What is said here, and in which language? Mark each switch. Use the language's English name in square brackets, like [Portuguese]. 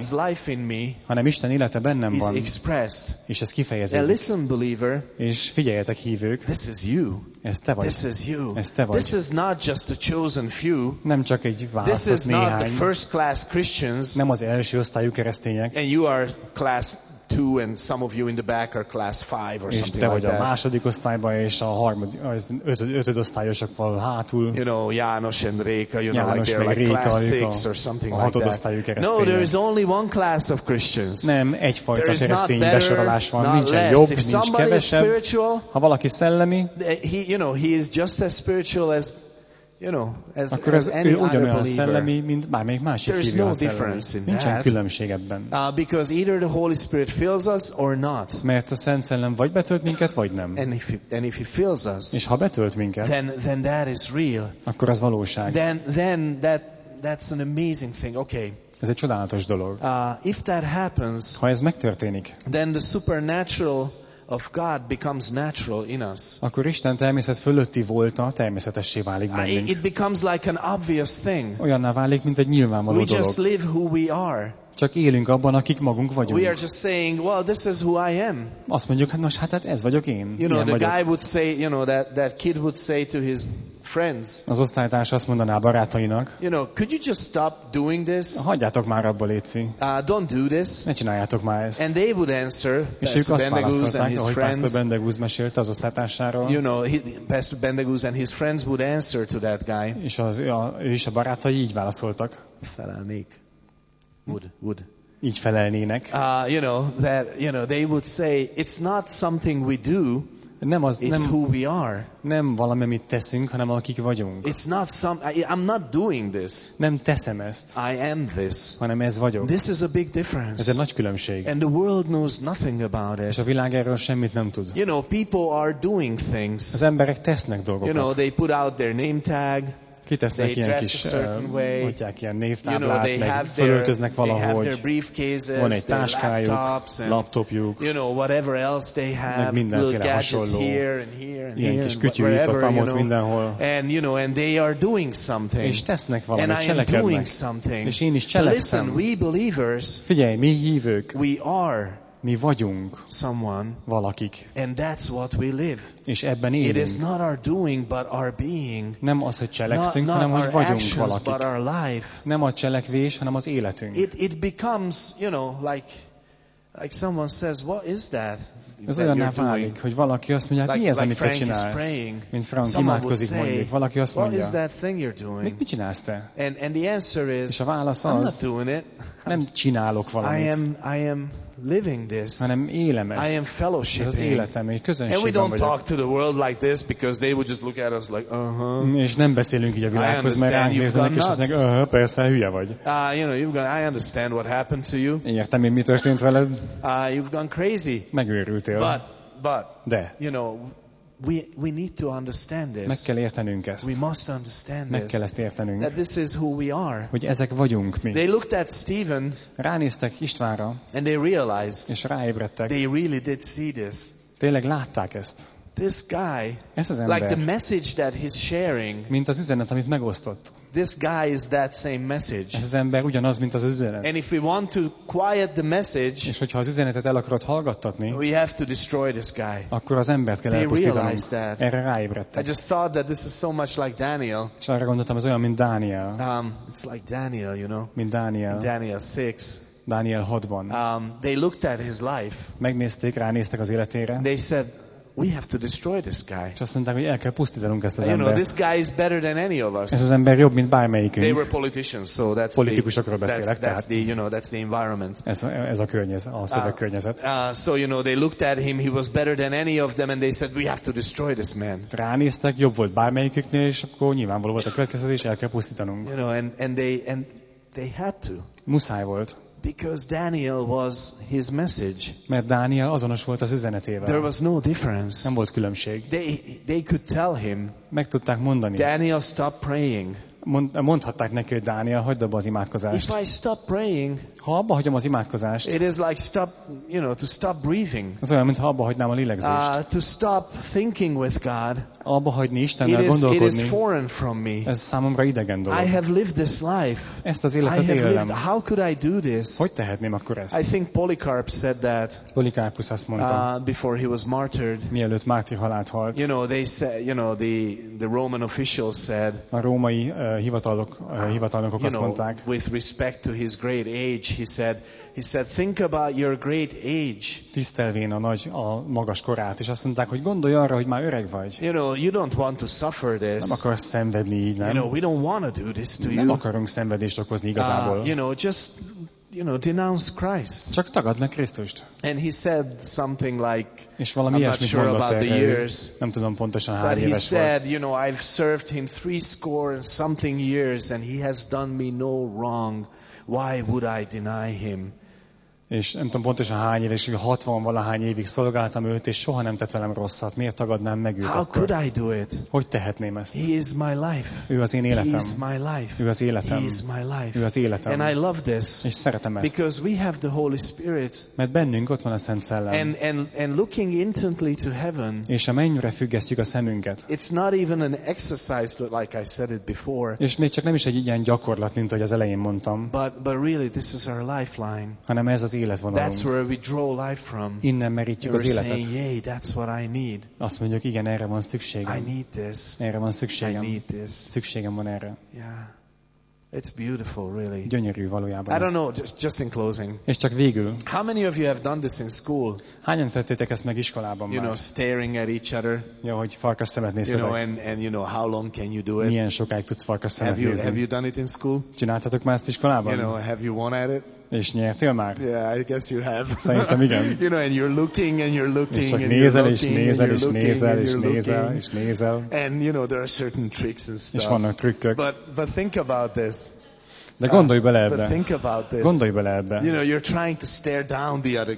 [English] but God's life in me, [Hungarian] hanem Isten élete bennem van, [English] expressed, [Hungarian] és ez kifejeződik. [English] Now listen, believer, [Hungarian] és figyeljetek, hívők, [English] this is you. [Hungarian] Ez te vagy. [English] This is you. [Hungarian] Ez te vagy. [English] This is not just a chosen few. [Hungarian] Nem csak egy választott [English] This is [Hungarian] néhány. [English] Not the first class Christians. [Hungarian] Nem az első osztályú keresztények. [English] And you are class 2 and some of you in the back are class 5 or something. [Hungarian] És te vagy [English] like [Hungarian] a második osztályban, és a ötöd osztályosok van hátul. [English] You know, János and Réka, you [Hungarian] János [English] know, like they're like [Hungarian] Réka, [English] class 6 or something like that. [Hungarian] Osztályú keresztények. [English] No, there is only one class of Christians. [Hungarian] Nem, egyfajta keresztény besorolás van. [English] Not [Hungarian] nincsen [English] less. [Hungarian] Jobb, [English] if [Hungarian] nincs kevesebb. Ha valaki szellemi, [English] you know, he is just as spiritual as, you know, as, [Hungarian] akkor [English] as any [Hungarian] ugyanolyan [English] other believer. [Hungarian] Szellemi, mint bármelyik másik hívő. [English] There's no difference in [Hungarian] nincsen [English] that. [Hungarian] Különbség ebben. [English] Because either the Holy Spirit fills us or not. [Hungarian] Mert a Szent Szellem vagy betölt minket, vagy nem. [English] And if he fills us, [Hungarian] és ha betölt minket, [English] then that is real. [Hungarian] Akkor az valóság. [English] Then that's an amazing thing. Okay. [Hungarian] Ez egy csodálatos dolog. [English] If that happens, [Hungarian] ha ez megtörténik, [English] then the supernatural of God becomes natural in us. [Hungarian] Akkor Isten természet fölötti volta természetessé válik bennünk. [English] It becomes like an obvious thing. [Hungarian] Olyanná válik, mint egy nyilvánvaló [English] we [Hungarian] dolog. [English] We just live who we are. [Hungarian] Csak élünk abban, akik magunk vagyunk. [English] We are just saying, well, this is who I am. [Hungarian] Azt mondjuk, hát nos, hát ez vagyok én. [English] You know, the [Hungarian] vagyok. [English] Guy would say, you know, that kid would say to his friends. [Hungarian] Az osztálytárs azt mondaná a barátainak. [English] You know, could you just stop doing this? [Hungarian] Hagyjátok már abba, léci. [English] Don't do this. [Hungarian] Ne csináljátok már ezt. [English] And they would answer, [Hungarian] és ők azt válaszolták, ahogy Pastor Bendegúz mesélte az osztálytársáról. [English] You know, Pastor Bendegúz and his friends would answer to that guy. [Hungarian] És ő is a barátai így válaszoltak. Felelnék. [English] Would. [Hungarian] Így felelnének. [English] You know, that, you know, they would say, it's not something we do. [Hungarian] Nem az, [English] it's [Hungarian] nem, [English] who we are. [Hungarian] Nem valami, amit teszünk, hanem akik vagyunk. [English] It's not I'm not doing this. [Hungarian] Nem teszem ezt. [English] I am this. [Hungarian] Hanem ez vagyok. [English] This is a big difference. [Hungarian] Ez egy nagy különbség. [English] And the world knows nothing about it. [Hungarian] És a világ erről semmit nem tud. [English] You know, people are doing things. [Hungarian] Az emberek tesznek dolgokat. [English] You know, they put out their name tag. [Hungarian] Kitesznek ilyen kis botják, ilyen névtáblát, [English] you know, [Hungarian] meg fölöltöznek valahogy, van egy táskájuk, [English] laptops, and, [Hungarian] laptopjuk, [English] you know, whatever else they have, [Hungarian] meg mindenféle hasonló, ilyen kis kütyűjét ott, amott mindenhol. [English] And, you know, and they are doing something. [Hungarian] És tesznek valamit, [English] and [Hungarian] cselekednek. És én is cselekszem. [English] Listen, [Hungarian] figyelj, mi hívők, [English] we are [Hungarian] mi vagyunk [English] someone, [Hungarian] valakik. [English] And that's what we live. [Hungarian] És ebben élünk. [English] It is not our doing, but our being. [Hungarian] Nem az, hogy cselekszünk, hanem hogy vagyunk [English] actions, [Hungarian] valakik. [English] But our life. [Hungarian] Nem a cselekvés, hanem az életünk. [English] It becomes, you know, like someone says, what is that? [Hungarian] Ez olyanná válik, hogy valaki azt mondja, hát mi ez, [English] like [Hungarian] amit te csinálsz? Mint Frank imádkozik, mondjuk. Valaki azt mondja, mit csinálsz te? [English] And the answer is, [Hungarian] és a válasz az, [English] I'm not doing it. [Hungarian] Nem csinálok valamit. [English] I am living this. [Hungarian] Hanem élem ezt. [English] I am fellowshiping. [Hungarian] Ez az életem, egy közönségben [English] and we don't [Hungarian] vagyok. [English] Talk to the world like this because they would just look at us like, [Hungarian] és nem beszélünk így a világhoz, mert ránk néznek, és aznek, persze, hülye vagy. [English] You know, you've gone, I understand what happened to you. [Hungarian] Értem én, mi történt veled. [English] You've gone crazy. [Hungarian] Megőrültél. [English] But, [Hungarian] de. [English] You know, we need to understand this. [Hungarian] Meg kell értenünk ezt. [English] We must understand this. [Hungarian] Meg kell ezt értenünk. [English] That this is who we are. [Hungarian] Hogy ezek vagyunk mi. [English] They looked at Stephen. [Hungarian] Ránéztek Istvánra. [English] And they realized. [Hungarian] És ráébredtek. [English] They really did see this. [Hungarian] Tényleg látták ezt. [English] This guy. [Hungarian] Ez az ember. [English] Like the message that he's sharing. [Hungarian] Mint az üzenet, amit megosztott. [English] This guy is that same message. [Hungarian] Ez az ember ugyanaz, mint az üzenet. [English] And if we want to quiet the message, [Hungarian] és hogyha az üzenetet el akarod hallgattatni, [English] we have to destroy this guy. [Hungarian] Akkor az embert kell elpusztítanunk. Erre ráébredtek. [English] I just thought that this is so much like Daniel. [Hungarian] És arra gondoltam, ez olyan, mint Daniel. [English] It's like Daniel, you know. [Hungarian] Mint Daniel. [English] In Daniel 6. [Hungarian] Daniel 6-ban. [English] They looked at his life. [Hungarian] Megnézték, ránéztek az életére. [English] They said, we have to destroy this guy. [Hungarian] Csak azt mondták, hogy el kell pusztítanunk ezt az embert. [English] You know, this guy is better than any of us. [Hungarian] Ez az ember jobb, mint bármelyikünk. [English] They were politicians, so that's [Hungarian] politikusokról beszélek, [English] that's the, you know, that's the environment. [Hungarian] Ez a környezet, a szövegkörnyezet. [English] So you know, they looked at him, he was better than any of them, and they said, we have to destroy this man. [Hungarian] Ránéztek, jobb volt bármelyiküknél, és akkor nyilvánvaló volt a következtetés, el kell pusztítanunk. [English] You know, and they had to. [Hungarian] Muszáj volt. [English] Because Daniel was his message. [Hungarian] Mert Dániel azonos volt az üzenetével. [English] There was no difference. [Hungarian] Nem volt különbség. [English] They could tell him. [Hungarian] Meg tudták mondani. [English] Daniel, stop praying. [Hungarian] Mondhatták neki, hogy Dániel, hagyd abba az imádkozást. [English] If I stop praying, [Hungarian] Ha abba hagyom az imádkozást. [English] It is like stop, you know, to stop breathing. [Hungarian] Az olyan, mintha abba hagynám a lélegzést. [English] To stop thinking with God. [Hungarian] Abba hagyni Istennel gondolkodni. [English] It is foreign from me. [Hungarian] Ez számomra idegen dolog. [English] I have lived this life. [Hungarian] Ezt az életet élem. [English] How could I do this? [Hungarian] Hogy tehetném akkor ezt? [English] I think Polycarp said that. [Hungarian] Polikarpus azt mondta. [English] Before he was martyred. [Hungarian] Mielőtt mártír halált halt. [English] You know, they said, you know, the Roman officials said. [Hungarian] A római hivatalnokok azt mondták. [English] With respect to his great age. He said, think about your great age. [Hungarian] Tisztelvén a nagy, a magas korát, és azt mondták, hogy gondolj arra, hogy már öreg vagy. [English] You know, you don't want to suffer this. [Hungarian] Nem akarsz szenvedni, nem? [English] You know, we don't want to do this to you. [Hungarian] Nem akarunk szenvedést okozni igazából. [English] You know, just, you know, denounce Christ. [Hungarian] Csak tagadd meg Krisztust. [English] And he said something like, [Hungarian] és valami [English] I'm not sure about the years. [Hungarian] Nem tudom pontosan hány éves volt. [English] he said, you know, I've served him 80 and something years, and he has done me no wrong. Why would I deny him? [Hungarian] És nem tudom pontosan hány éves, 60-valahány évig szolgáltam őt, és soha nem tett velem rosszat. Miért tagadnám meg őt? [English] How could I do it? [Hungarian] Hogy tehetném ezt? [English] He is my life. [Hungarian] Ő az én életem. [English] He is my life. [Hungarian] Ő az életem. [English] He is my life. [Hungarian] Ő az életem. [English] And I love this. [Hungarian] És szeretem ezt. [English] Because we have the Holy Spirit. [Hungarian] Mert bennünk ott van a Szent Szellem. [English] And looking intently to heaven. [Hungarian] És a mennyre függesztjük a szemünket. [English] It's not even an exercise like I said it before. [Hungarian] És még csak nem is egy ilyen gyakorlat, mint ahogy az elején mondtam. [English] But really this is our lifeline. [Hungarian] Hanem ez az. [English] That's where we draw life from. [Hungarian] Innen merítjük az életet. [English] Saying, yay, that's what I need. [Hungarian] Azt mondjuk, igen, erre van szükségem. [English] I need this. [Hungarian] Erre van szükségem. [English] I need this. [Hungarian] Szükségem van erre. [English] Yeah. It's beautiful, really. [Hungarian] Gyönyörű valójában. [English] I don't know, just in closing. [Hungarian] És csak végül. [English] How many of you have done this in school? [Hungarian] Hányan tettétek ezt meg iskolában már? [English] You know, staring at each other. [Hungarian] Ja, hogy farkas szemet néztetek. [English] You know, and you know, how long can you do it? [Hungarian] Milyen sokáig tudsz farkas szemet nézni? [English] Have you done it in school? [Hungarian] Csináltatok már ezt iskolában? [English] You know, have you won at it? [Hungarian] És nyertél már? [English] Yeah, I guess you have. [Hungarian] Szerintem igen. [English] You know, and you're looking and you're looking and [Hungarian] nézel, [English] you're looking, nézel, and you're nézel, looking, and you're nézel, looking, nézel, nézel, nézel. And you know, there are certain tricks and stuff. [Hungarian] És vannak trükkök. [English] But think about this. [Hungarian] De gondolj bele ebbe. [English] But think about this. [Hungarian] Gondolj bele ebbe. [English] You know, you're trying to stare down the other guy.